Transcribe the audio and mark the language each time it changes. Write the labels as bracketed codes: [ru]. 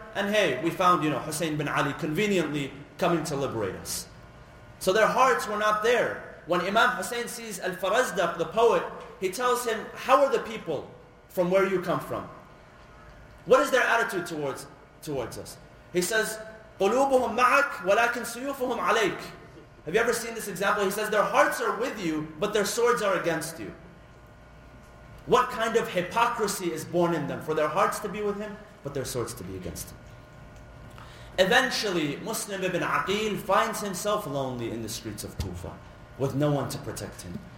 [en] And hey, we found, you know, Hussein ibn Ali conveniently coming to liberate us. So their hearts were not there. When Imam Hussein sees Al-Farazdaq, the poet, he tells him, how are the people from where you come from? What is their attitude towards us? He says, [ar] قُلُوبُهُمْ مَعَكْ وَلَكِنْ سُيُوفُهُمْ عَلَيْكْ. [en] Have you ever seen this example? He says, their hearts are with you, but their swords are against you. What kind of hypocrisy is born in them? For their hearts to be with him, but their swords to be against him. Eventually, Muslim ibn Aqil finds himself lonely in the streets of Kufa, with no one to protect him.